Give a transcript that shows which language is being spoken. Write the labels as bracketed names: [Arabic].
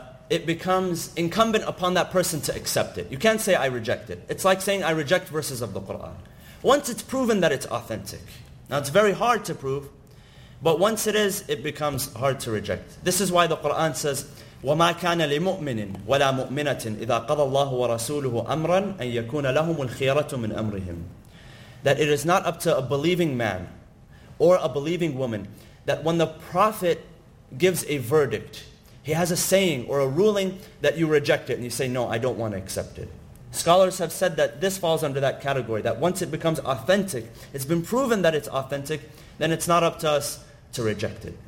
[English] It becomes incumbent upon that person to accept it. You can't say, I reject it. It's like saying, I reject verses of the Quran. Once it's proven that it's authentic, now it's very hard to prove, but once it is, it becomes hard to reject. This is why the Quran says, [Arabic] وَمَا كَانَ لِمُؤْمِنٍ وَلَا مُؤْمِنَةٍ إِذَا قَضَى اللَّهُ وَرَسُولُهُ أَمْرًا أَن يَكُونَ لَهُمُ الْخِيَرَةُ مِنْ أَمْرِهِمْ. [English] That it is not up to a believing man or a believing woman that when the Prophet gives a verdict, he has a saying or a ruling, that you reject it and you say, no, I don't want to accept it. Scholars have said that this falls under that category, that once it becomes authentic, it's been proven that it's authentic, then it's not up to us to reject it.